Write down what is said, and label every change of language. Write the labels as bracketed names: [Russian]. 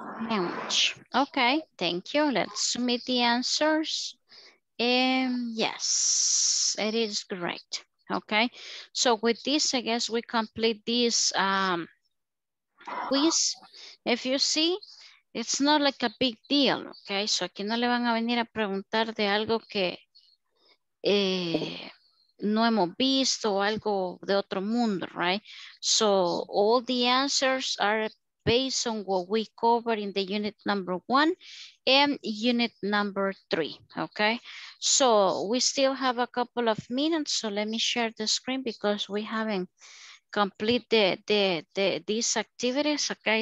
[English] Launch. Okay, thank you. Let's submit the answers Yes, it is correct. Okay, so with this, I guess we complete this quiz. If you see, it's not like a big deal, okay? [Spanish] So aquí no le van a venir a preguntar de algo que no hemos visto o algo de otro mundo, right? [English] So all the answers are based on what we covered in the unit number one and unit number three, okay? So we still have a couple of minutes, so let me share the screen because we haven't completed these activities, okay?